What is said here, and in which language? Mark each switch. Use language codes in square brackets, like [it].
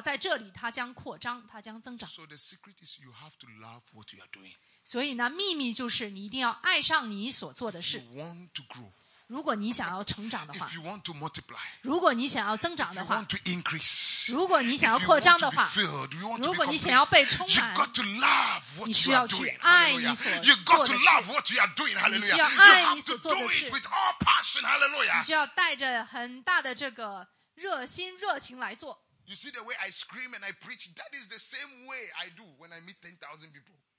[zh] 他喜欢神为他预备这个地方，因为他知道在这里他将扩张，他将增长。 [en] So the secret is you have to love what you are doing. [zh] 所以呢，秘密就是你一定要爱上你所做的事。 [en] If you want to grow. [zh] 如果你想要成长的话， [en] if you want to multiply, [zh] 如果你想要增长的话， [en] if you want to increase, [zh] 如果你想要扩张的话， [en] if you want to be filled, you want to [zh] 如果你想要被充满， [en] you got to love what [zh] 你需要去爱你所做的事。 [en] You got to love what you are doing, hallelujah. [zh] 你需要爱你所做的事。 [en] You have to do it with all passion, hallelujah. [zh] 你需要带着很大的这个热心热情来做。 [en] You see the way I scream and I preach, that is the same way I do when I meet 10,000 people.